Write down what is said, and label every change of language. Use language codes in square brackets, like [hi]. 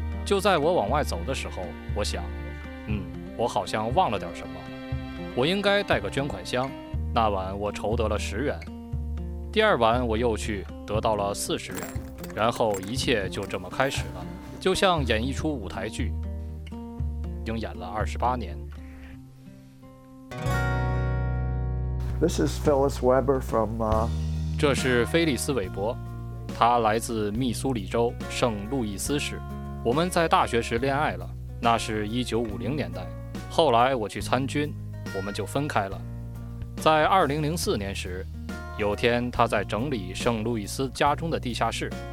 [zh] 就在我往外走的时候，我想，我好像忘了点什么，我应该带个捐款箱。那晚我筹得了10元，第二晚我又去得到了40元，然后一切就这么开始了，就像演一出舞台剧，已经演了28年。 [en] This is Phyllis Weber from. [zh] 这是菲利斯·韦伯，他来自密苏里州圣路易斯市。我们在大学时恋爱了，那是1950年代。后来我去参军，我们就分开了。在2004年时，有天他在整理圣路易斯家中的地下室。